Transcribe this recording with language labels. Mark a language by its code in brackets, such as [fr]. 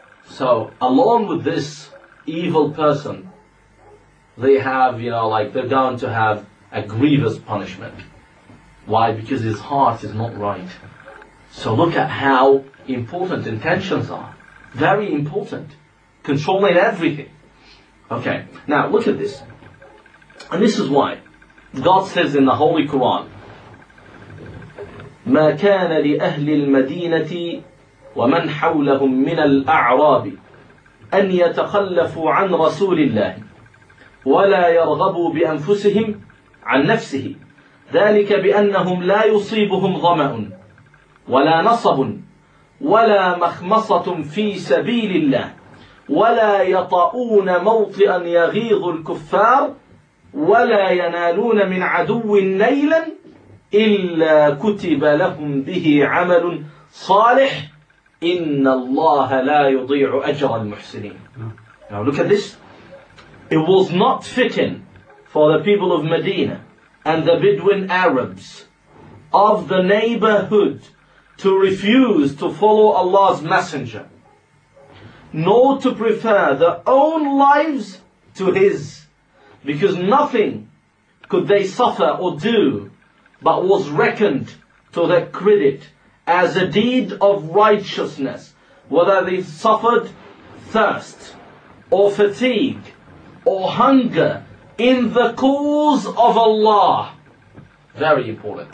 [en] So, along with this evil person, they have, you know, like, they're going to have a grievous punishment. Why? Because his heart is not right. So look at how important intentions are. Very important. Controlling everything. Okay, now look at this. And this is why God says in the Holy Quran, [ar] مَا كَانَ لِأَهْلِ الْمَدِينَةِ وَمَنْ حَوْلَهُمْ مِنَ الْأَعْرَابِ أَنْ يَتَخَلَّفُوا عَنْ رَسُولِ اللَّهِ وَلَا يَرْغَبُوا بِأَنفُسِهِمْ عَنْ نَفْسِهِ ذلك بأنهم لا يصيبهم ظمأ ولا نصب ولا مخمصة في سبيل الله ولا يطؤون موطئا يغيظ الكفار ولا ينالون من عدو نيلا إلا كتب لهم به عمل صالح إن الله لا يضيع أجر المحسنين. [en] Now look at this. It was not fitting for the people of Medina and the Bedouin Arabs of the neighborhood to refuse to follow Allah's messenger, nor to prefer their own lives to his, because nothing could they suffer or do but was reckoned to their credit as a deed of righteousness, whether they suffered thirst or fatigue or hunger in the cause of Allah. Very important.